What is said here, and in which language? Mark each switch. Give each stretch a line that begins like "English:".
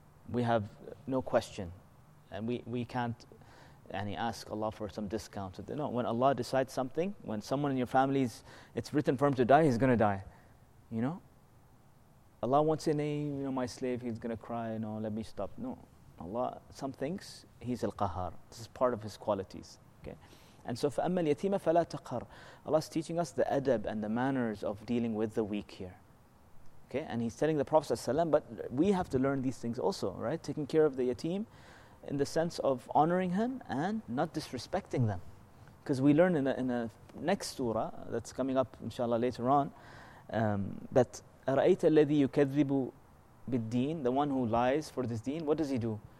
English: We have no question. And we can't ask Allah for some discount. No, when Allah decides something, when someone in your family is, it's written for him to die, he's going to die. You know? Allah won't say, nay, you know, my slave, he's going to cry, no, let me stop. No. Allah, some things, he's Al-Qahhar. This is part of his qualities. Okay? And so,
Arabic: فَأَمَّا الْيَتِيمَ فَلَا تَقْهَرْ.
English: Allah is teaching us the adab and the manners of dealing with the weak here. Okay, and he's telling the Prophet ﷺ, but we have to learn these things also, right? Taking care of the yatim in the sense of honoring him and not disrespecting them. Because we learn in the next surah that's coming up, inshallah, later on, that
Arabic: أَرَأَيْتَ الَّذِي يُكَذِّبُ بِالدِّينِ,
English: the one who lies for this deen, what does he do?